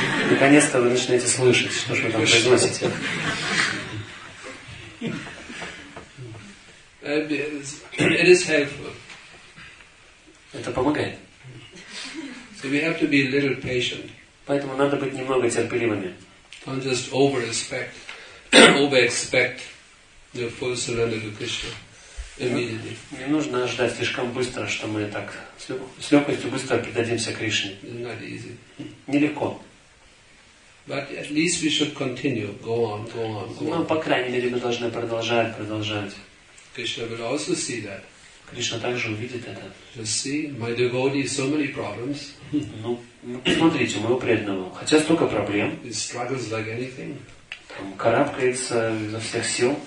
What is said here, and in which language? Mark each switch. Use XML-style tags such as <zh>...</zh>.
<ru>Наконец-то вы начинаете слышать, что же вы там произносите.</ru> <en>It is helpful.</en> <ru>Это помогает.</ru> <en>So we have to be a little patient.</en> <ru>Поэтому надо быть немного терпеливыми.</ru> <en>Don't just over-expect, the full surrender to Krishna immediately.</en> <ru>Не нужно ждать слишком быстро, что мы так с легкостью быстро предадимся Кришне.</ru> <en>It's not easy.</en> <ru>Нелегко.</ru> <en>But at least we should continue, go on.</en> <ru>Ну, по крайней мере, мы должны продолжать.</ru> <en>Krishna will also see that.</en> <ru>Кришна также увидит это.</ru> <en>Just see, my devotee has so many problems.</en> <ru>Ну, посмотрите, моего преданного, хотя столько проблем.</ru> <en>He struggles like anything.</en> <ru>Там карабкается изо всех сил.</ru>